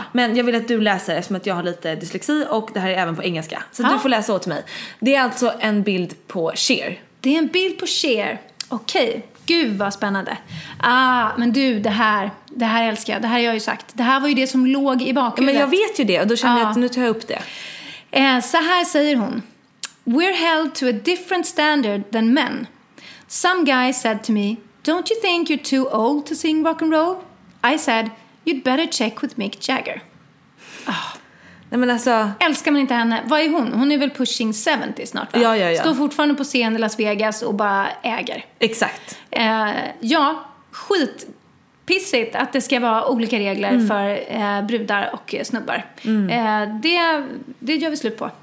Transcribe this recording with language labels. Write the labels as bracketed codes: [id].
[sv] Men jag vill att du läser det, eftersom att jag har lite dyslexi och det här är även på engelska. Så du får läsa åt mig. Det är alltså en bild på Cher. Det är en bild på Cher. Okej. Gud vad spännande. Ah, men du, det här älskar jag. Det här har jag ju sagt. Det här var ju det som låg i bakhuvudet. Ja, men jag vet ju det och då känner jag att nu tar jag upp det. Så här säger hon. [en] We're held to a different standard than men. Some guy said to me, don't you think you're too old to sing rock and roll? I said, you'd better check with Mick Jagger. [sv] Oh. Nej, men alltså... Älskar man inte henne? Vad är hon? Hon är väl pushing 70 snart, va? Ja, ja, ja. Står fortfarande på scen i Las Vegas och bara äger. Exakt. Ja, skit. Pissigt att det ska vara olika regler för brudar och snubbar. Det gör vi slut på.